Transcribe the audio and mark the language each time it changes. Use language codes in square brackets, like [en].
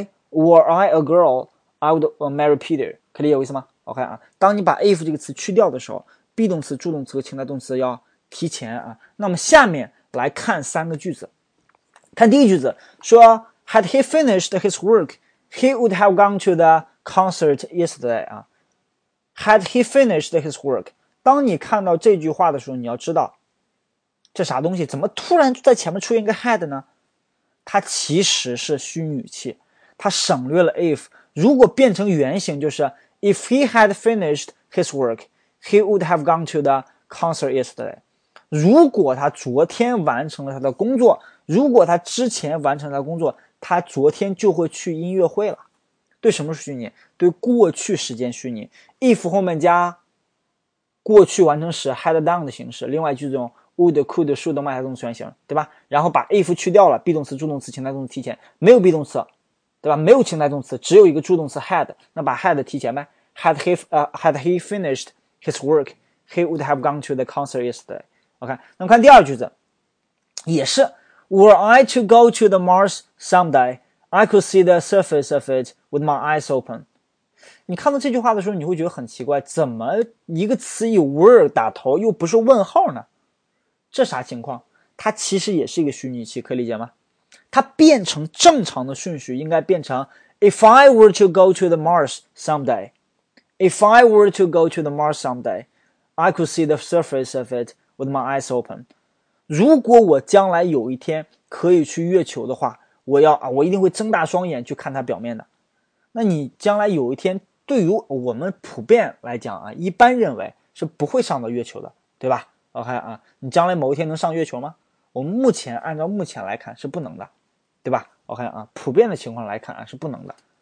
[en] Were I a girl, I would marry Peter。 [zh] 可以理解我意思吗 ？OK 啊，当你把 if 这个词去掉的时候 ，be 动词、助动词和情态动词要提前啊。那么下面来看三个句子。看第一句子，说 [en] Had he finished his work, he would have gone to the concert yesterday 啊 ，Had he finished his work？ [zh] 当你看到这句话的时候，你要知道这啥东西，怎么突然在前面出现一个 had 呢？它其实是虚拟语气。它省略了 if。如果变成原型，就是 [en] if he had finished his work he would have gone to the concert yesterday。 [zh] 如果他昨天完成了他的工作，如果他之前完成了他的工作，他昨天就会去音乐会了。对什么虚拟？对过去时间虚拟。if 后面加过去完成时 had done 的形式，另外句中would, could, should, might 动词原型，对吧？然后把 if 去掉了 ，be 动词、助动词、情态动词提前，没有 be 动词，对吧？没有情态动词，只有一个助动词 had， 那把 had 提前呗。 [en] Had he finished his work, he would have gone to the concert yesterday. OK， [zh] 那么看第二句子，也是 [en] ，Were I to go to the Mars someday, I could see the surface of it with my eyes open。 [zh] 你看到这句话的时候，你会觉得很奇怪，怎么一个词以 were 打头，又不是问号呢？这啥情况？它其实也是一个虚拟器，可以理解吗？它变成正常的顺序应该变成 [en] If I were to go to the Mars someday, If I were to go to the Mars someday, I could see the surface of it with my eyes open. [zh] 如果我将来有一天可以去月球的话，我一定会睁大双眼去看它表面的。那你将来有一天，对于我们普遍来讲啊，一般认为是不会上到月球的，对吧？ OK 啊，你将来某一天能上月球吗？我们目前按照目前来看是不能的，对吧 ？OK 啊，普遍的情况来看啊是不能的。